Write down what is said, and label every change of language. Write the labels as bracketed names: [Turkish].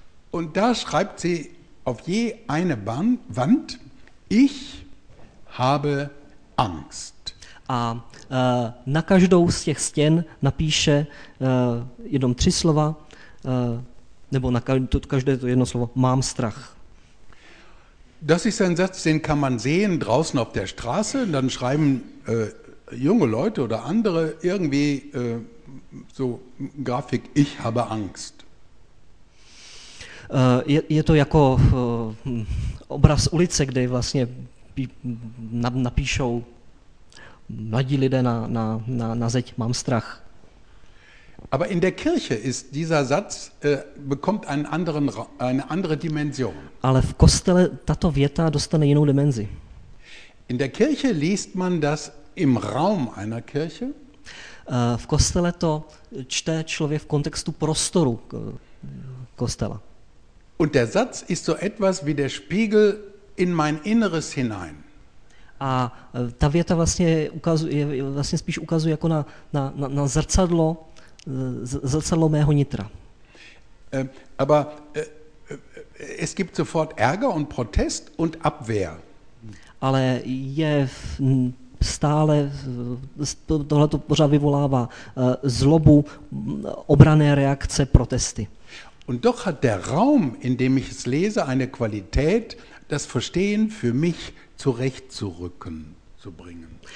[German] Und da schreibt sie auf je eine Wand, ich habe Angst. [Czech] A na každou z těch stěn napíše jenom tři slova, nebo na každé to jedno slovo, mám strach. [German] Das ist ein Satz, den kann man sehen draußen auf der Straße, und dann schreiben junge Leute oder andere irgendwie so Grafik, ich habe Angst. [Czech] Je to jako obraz ulice, kde vlastně napíšou mladí lidé na zeď, mám strach. [German] Aber in der Kirche ist dieser Satz bekommt eine andere Dimension. [Czech] Ale v kostele tato věta dostane jinou dimenzi. [German] In der Kirche liest man das im Raum einer Kirche. [Czech] V kostele to čte člověk v kontextu prostoru kostela. [German] Und der Satz ist so etwas wie der Spiegel in mein Inneres hinein. [Czech] A ta věta vlastně ukazuje, vlastně spíš ukazuje jako na zrcadlo. Zrcadlo mého nitra. [German] Aber es gibt sofort Ärger und Protest und Abwehr. [Czech] Ale je stále, tohle to pořád vyvolává zlobu, obrané reakce, protesty. [German] Und doch hat der Raum, in dem ich es lese, eine Qualität, das Verstehen für mich zurechtzurücken, zu bringen.